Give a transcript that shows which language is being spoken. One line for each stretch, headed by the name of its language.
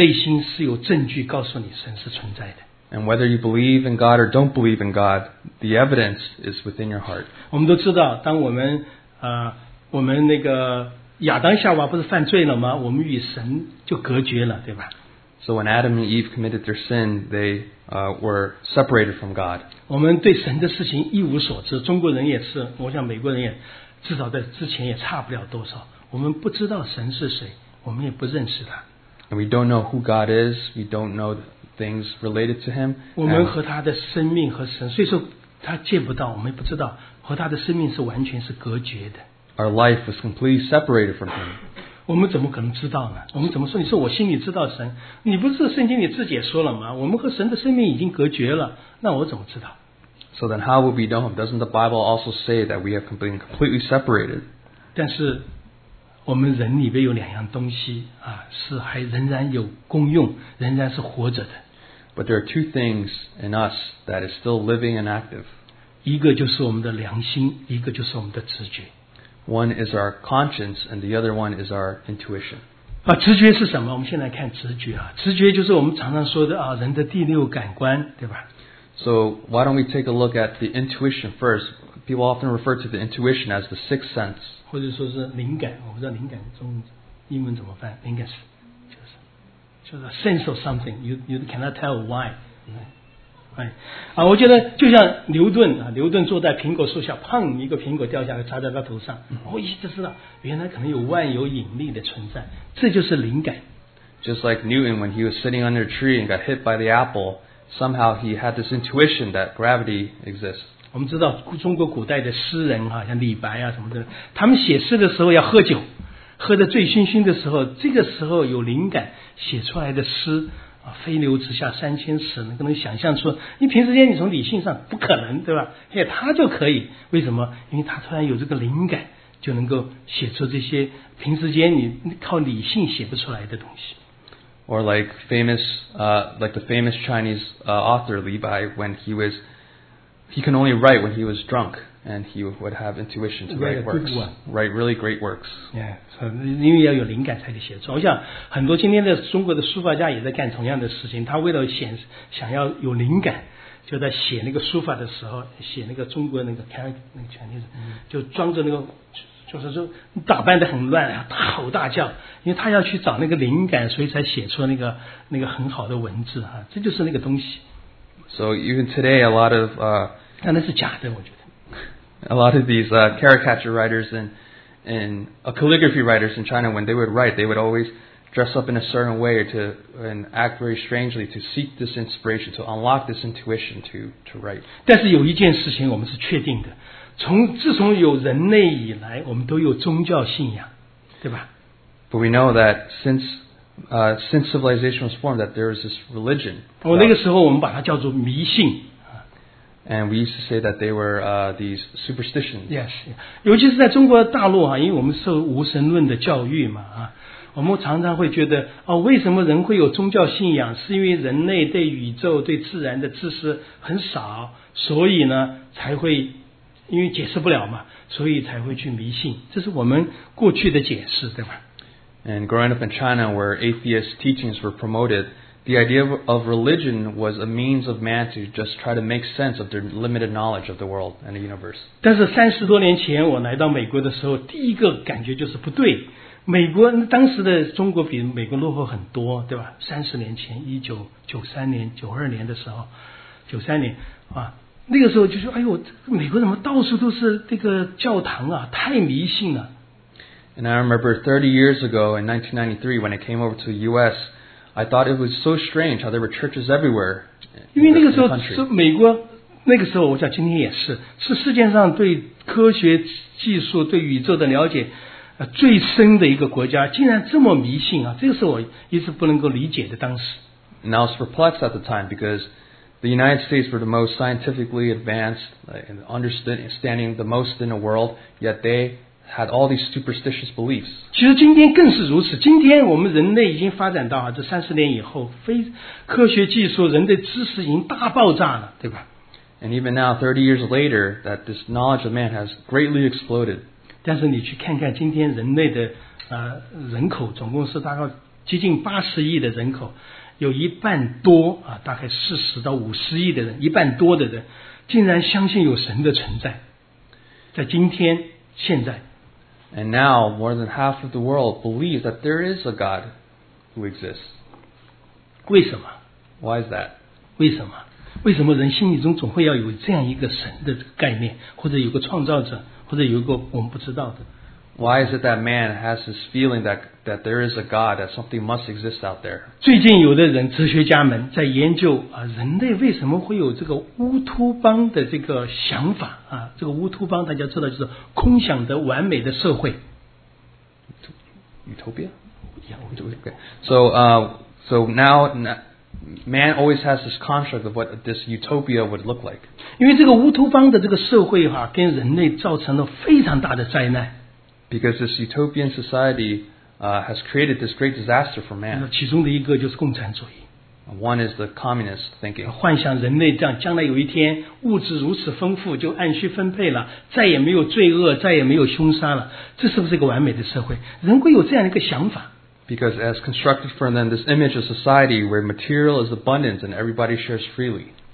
Chinese: 我们人,每一个人,你信神也好,不信神也好,你的内心是有证据告诉你神是存在的。
English: And whether you believe in God or don't believe in God, the evidence is within your heart.
Chinese: 我们都知道,当我们那个 亚当夏娃不是犯罪了吗？我们与神就隔绝了，对吧？
English: So when Adam and Eve committed their sin, they were separated from God.
Chinese: 我们对神的事情一无所知，中国人也是，我想美国人也，至少在之前也差不了多少。我们不知道神是谁，我们也不认识他。
English: And we don't know who God is, we don't know things related to him.
Chinese: 我们和他的生命和神，所以说他见不到，我们也不知道，和他的生命是完全是隔绝的。
English: Our life was completely separated from him.
Chinese: 我们怎么可能知道呢？我们怎么说？你说我心里知道神，你不是圣经里自己也说了吗？我们和神的生命已经隔绝了，那我怎么知道？
English: So then how would we know him? Doesn't the Bible also say that we have been completely separated?
Chinese: 但是我们人里边有两样东西啊，是还仍然有功用，仍然是活着的。
English: But there are two things in us that is still living and active.
Chinese: 一个就是我们的良心，一个就是我们的直觉。
English: One is our conscience, and the other one is our intuition.
Chinese: 啊，直觉是什么？我们先来看直觉啊，直觉就是我们常常说的啊，人的第六感官，对吧？
English: So why don't we take a look at the intuition first? People often refer to the intuition as the sixth sense.
Chinese: 或者说是灵感，我不知道灵感中英文怎么翻，灵感是就是
English: sense of something. You cannot tell why. Right.
Chinese: 啊、我觉得就像牛顿、啊、牛顿坐在苹果树下，砰，一个苹果掉下来砸在他头上，我一下就知道原来可能有万有引力的存在，这就是灵感。
English: Just like Newton, when he was sitting under a tree and got hit by the apple, somehow he had this intuition that gravity exists.
Chinese: 我们知道中国古代的诗人、啊、像李白啊什么的，他们写诗的时候要喝酒，喝得醉醺醺的时候，这个时候有灵感，写出来的诗飞流直下三千尺，能够能想象出，你平时间你从理性上不可能，对吧？嘿，他就可以，为什么？因为他突然有这个灵感，就能够写出这些平时间你靠理性写不出来的东西。
English: Or like famous, like the famous Chinese author Li Bai, when he can only write when he was drunk, and he would have intuition to write works, write really great works. Yeah.
Chinese: 因为要有灵感才能写作，我想很多今天的中国的书法家也在干同样的事情，他为了想要有灵感，就在写那个书法的时候，写那个中国那个全体就装着那个就是说打扮得很乱，大吼大叫，因为他要去找那个灵感，所以才写出那个很好的文字、啊、这就是那个东西。
English: So even today a lot of
Chinese: 但那是假的，我觉得
English: a lot of these caricature writers and calligraphy writers in China, when they would write, they would always dress up in a certain way and act very strangely to seek this inspiration, to unlock this intuition to write.
Chinese: 但是有一件事情我们是确定的，自从有人类以来，我们都有宗教信仰，对吧？
English: But we know that since civilization was formed, that there is this religion.
Chinese: 那个时候我们把它叫做迷信。
English: And we used to say that they were these superstitions. Yes,
Chinese: 尤其是在中国大陆啊，因为我们受无神论的教育嘛啊，我们常常会觉得哦，为什么人会有宗教信仰？是因为人类对宇宙、对自然的知识很少，所以呢才会因为解释不了嘛，所以才会去迷信。这是我们过去的解释，对吧
English: ？And growing up in China, where atheist teachings were promoted. The idea of religion was a means of man to just try to make sense of their limited knowledge of the world and the universe.
Chinese: 但是三十多年前我来到美国的时候，第一个感觉就是不对。美国当时的中国比美国落后很多，对吧？三十年前，一九九三年、九二年的时候，九三年啊，那个时候就说：“哎呦，美国怎么到处都是这个教堂啊？太迷信了。”
English: And I remember 30 years ago in 1993 when I came over to the U.S. I thought it was so strange how there were churches everywhere.
Chinese: 因为那个时候是美国，那个时候我想今天也是世界上对科学技术、对宇宙的了解最深的一个国家，竟然这么迷信啊！这个是我一直不能够理解的。当时
English: And I was perplexed at the time because the United States were the most scientifically advanced and understanding the most in the world, yet they. Had all these superstitious beliefs.
Chinese: 其实今天更是如此。今天我们人类已经发展到这三十年以后，非科学技术、人的知识已经大爆炸了，对吧
English: ？And even now, 30 years later, that this knowledge of man has greatly exploded.
Chinese: 但是你去看看今天人类的人口，总共是大概接近80亿的人口，有一半多啊，大概40到50亿的人，一半多的人竟然相信有神的存在，在今天。现在
English: And now more than half of the world believes that there is a God who exists.
Chinese: 为什么
English: Why is that?
Chinese: 为什么为什么人心里中总会要有这样一个神的概念，或者有个创造者，或者有一个我们不知道的。
English: Why is it that man has this feeling that there is a God, that something must exist out there?
Chinese: 最近有的人哲学家们在研究人类为什么会有这个乌托邦的这个想法啊？这个乌托邦大家知道就是空想的完美的社会。
English: utopia? Yeah, okay. So now man always has this construct of what this utopia would look like.
Chinese: 因为这个乌托邦的这个社会啊, 跟人类造成了非常大的灾难。
English: Because this utopian society has created this great disaster for man.
Chinese: 其中的一个就是共产主义。
English: One is the communist thinking.
Chinese: 幻想人类这样, 将来有一天, 物质如此丰富, 就按需分配了, 再也没有罪恶, 再也没有凶杀了, 这是不是一个完美的社会? 人会有这样一个想法。
English: Because as constructed for them, this image of society where material is abundant and everybody shares freely.